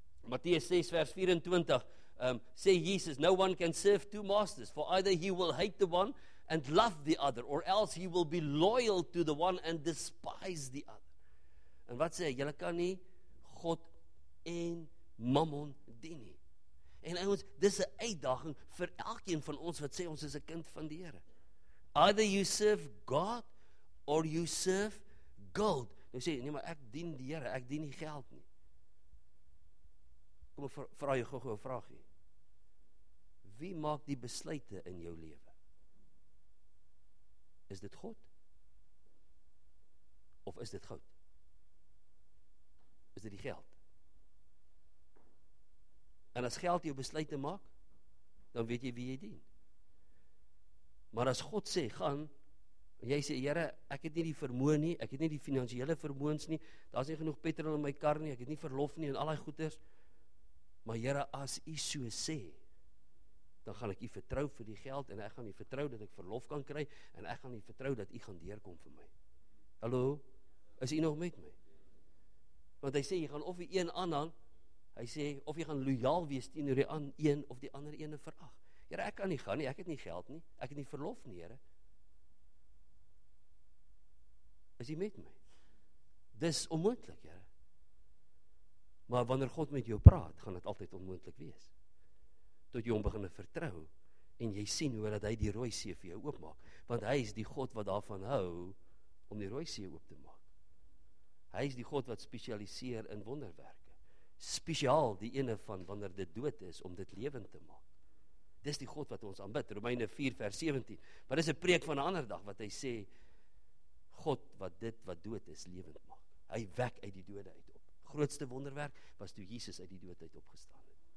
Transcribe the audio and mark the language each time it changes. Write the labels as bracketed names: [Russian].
[Afrikaans] Matteus 6 vers 24 sê Jesus, [English] no one can serve two masters, for either he will hate the one and love the other, or else he will be loyal to the one and despise the other. [Afrikaans] En wat sê, jy kan nie God en mammon dien nie. En ons, dis 'n uitdaging vir elkeen van ons wat sê ons is 'n kind van die Here. [English] Either you serve God or you serve gold. [Afrikaans] Nou sê, nee, maar ek dien die Here, ek dien nie geld nie. Kom, vra jy gou-gou 'n vraagie. Wie maak die besluite in jou lewe? Is dit God? Of is dit goud? Is dit die geld? En as geld jou besluite maak, dan weet jy wie jy dien. Maar as God sê, gaan, en jy sê, Here, ek het nie die vermoë nie, ek het nie die finansiële vermoëns nie, daar is nie genoeg petrol in my kar nie, ek het nie verlof nie, en al die goeders, maar Here, as u so sê, dan gaan ek u vertrou vir die geld, en ek gaan u vertrou dat ek verlof kan kry, en ek gaan u vertrou dat u gaan deurkom vir my. Hallo, is u nog met my? Want hy sê, jy gaan of die een aanhang, hy sê, of jy gaan loyaal wees teenoor die een of die ander ene verag. Here, ek kan nie gaan nie, ek het nie geld nie, ek het nie verlof nie, Here. Is jy met my? Dis onmoontlik, Here. Maar wanneer God met jou praat, gaan dit altyd onmoontlik wees. Tot jy hom begin vertrou, en jy sien hoe dat hy die Rooi See vir jou oopmaak. Want hy is die God wat daarvan hou, om die Rooi See oop te maak. Hy is die God wat spesialiseer in wonderwerke. Spesiaal die ene van wanneer dit dood is, om dit lewend te maak. Dis die God wat ons aanbid, Romeine 4 vers 17. Maar dis 'n preek van 'n ander dag, wat hy sê, God wat dit wat dood is, lewend maak. Hy wek uit die dode uit op. Grootste wonderwerk was toe Jesus uit die dood uit opgestaan het.